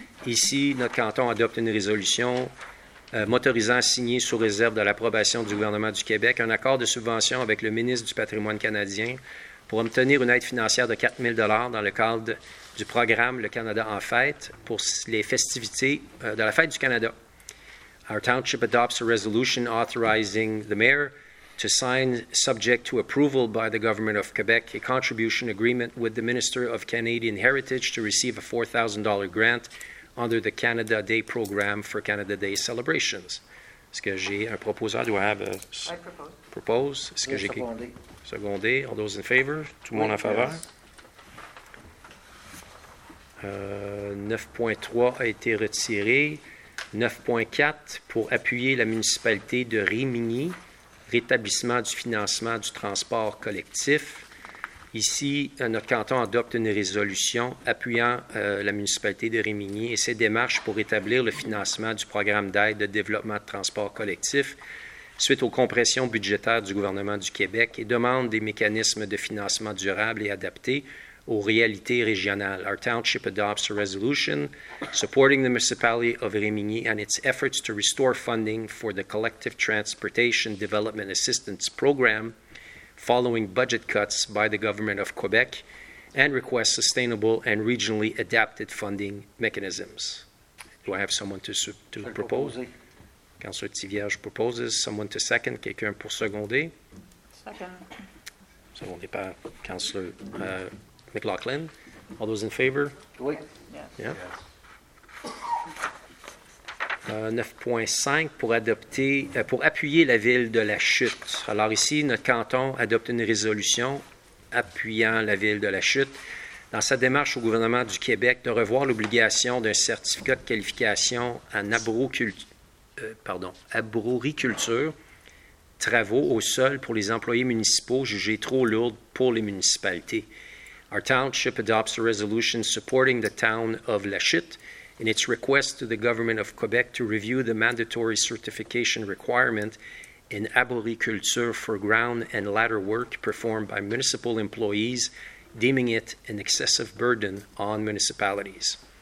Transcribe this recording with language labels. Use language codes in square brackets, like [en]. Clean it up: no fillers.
[fr] Ici, notre canton adopte une résolution m'autorisant à signer sous réserve de l'approbation du gouvernement du Québec un accord de subvention avec le ministre du patrimoine canadien pour obtenir une aide financière de 4 000 dans le cadre du programme Le Canada en fête pour les festivités de la fête du Canada. [en] Our township adopts a resolution authorizing the mayor to sign, subject to approval by the government of Quebec, a contribution agreement with the Minister of Canadian Heritage to receive a $4,000 grant under the Canada Day program for Canada Day celebrations. [fr] Est-ce que j'ai un proposeur? [en] Do I have a... I propose. [fr] Est-ce que oui, j'ai... Secondé. [en] All those in favor? [fr] Tout le monde en faveur? [en] Yes. [fr] 9.3 a été retiré. 9.4, pour appuyer la municipalité de Rimini, rétablissement du financement du transport collectif. Ici, notre canton adopte une résolution appuyant la municipalité de Rimini et ses démarches pour rétablir le financement du programme d'aide de développement de transport collectif suite aux compressions budgétaires du gouvernement du Québec et demande des mécanismes de financement durables et adaptés aux réalités régionales. [en] Our township adopts a resolution supporting the municipality of Rimini and its efforts to restore funding for the Collective Transportation Development Assistance Program following budget cuts by the government of Quebec and request sustainable and regionally adapted funding mechanisms. Do I have someone to propose? Councillor Tiviage proposes. Someone to second? [fr] Quelqu'un pour seconder? [en] Second. Seconded by Councillor McLaughlin. All those in favor? [fr] Oui. [en] Yes. Yeah. Yes. [fr] 9.5 pour adopter, pour appuyer la ville de La Chute. Alors ici, notre canton adopte une résolution appuyant la ville de La Chute dans sa démarche au gouvernement du Québec de revoir l'obligation d'un certificat de qualification en arboriculture, travaux au sol pour les employés municipaux jugés trop lourds pour les municipalités. [en] Our township adopts a resolution supporting the town of La Chute in its request to the government of Quebec to review the mandatory certification requirement in arboriculture for ground and ladder work performed by municipal employees, deeming it an excessive burden on municipalities.